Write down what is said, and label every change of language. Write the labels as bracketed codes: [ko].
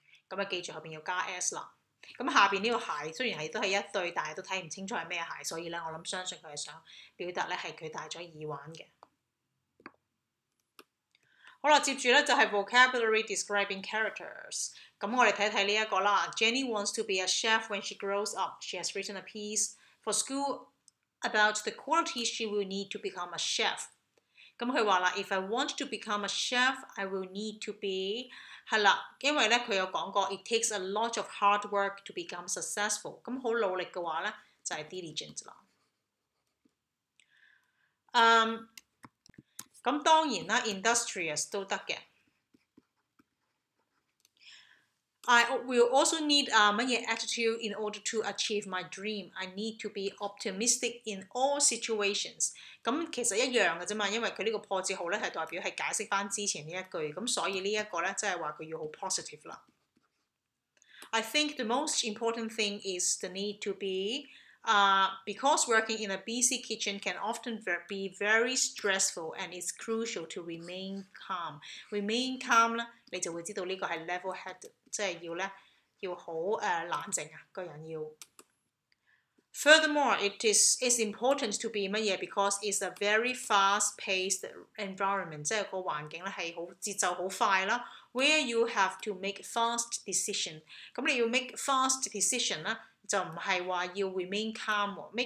[yue] 咁啊，記住後邊要加 s 啦。咁下邊呢個鞋雖然係都係一對，但係都睇唔清楚係咩鞋，所以咧我諗相信佢係想表達咧係佢戴咗耳環嘅。好啦，接住咧就係 vocabulary describing characters。咁我哋睇一睇呢一個啦。 [en] Jenny wants to be a chef when she grows up. She has written a piece for school about the qualities she will need to become a chef. [yue] 咁佢話啦 [en] ，If I want to become a chef, I will need to be。 [yue] 係啦，因為咧佢有講過 [en] ，it takes a lot of hard work to become successful。 [yue] 咁好努力嘅話咧，就係 diligent 啦。咁當然啦 ，industrious 都得嘅。 [en] I will also need [yue] 乜嘢 [en] attitude in order to achieve my dream. I need to be optimistic in all situations. [yue] 咁其實一樣嘅啫嘛，因為佢呢個破折號咧係代表係解釋翻之前呢一句，咁所以呢一個咧即係話佢要好 positive 啦。 [en] I think the most important thing is the need to be because working in a busy kitchen can often be very stressful and it's crucial to remain calm. Remain calm [yue] 咧，你就會知道呢個係 level head。即係要咧，要好冷靜啊，個人要。 [en] Furthermore, it's important to be [yue] 乜嘢 [en] ？Because it's a very fast-paced environment， [yue] 即係個環境咧係好節奏好快啦。 [en] Where you have to make fast decision， [yue] 咁你要 [en] make fast decision [yue] 咧，就唔係話要 [en] remain calm [yue] 喎。